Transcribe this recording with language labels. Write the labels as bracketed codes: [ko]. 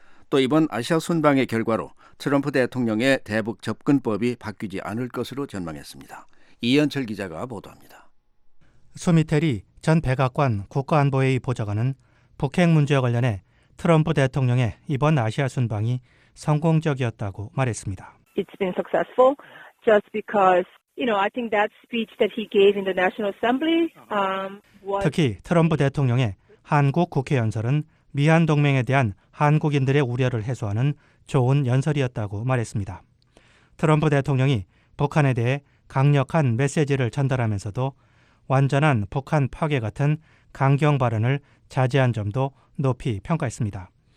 [ko] 또 이번 아시아 순방의 결과로 트럼프 대통령의 대북 접근법이 바뀌지 않을 것으로 전망했습니다. 이현철 기자가 보도합니다. 수미테리 전 백악관 국가안보회의 보좌관은 북핵 문제와 관련해 트럼프 대통령의 이번 아시아 순방이 성공적이었다고 말했습니다. [en] It's been successful just because, you know, I think that speech that he gave in the National Assembly was [ko] 특히 트럼프 대통령의 한국 국회 연설은 미한 동맹에 대한 한국인들의 우려를 해소하는 좋은 연설이었다고 말했습니다. 트럼프 대통령이 북한에 대해 강력한 메시지를 전달하면서도 완전한 북한 파괴 같은 강경 발언을 자제한 점도 높이 평가했습니다.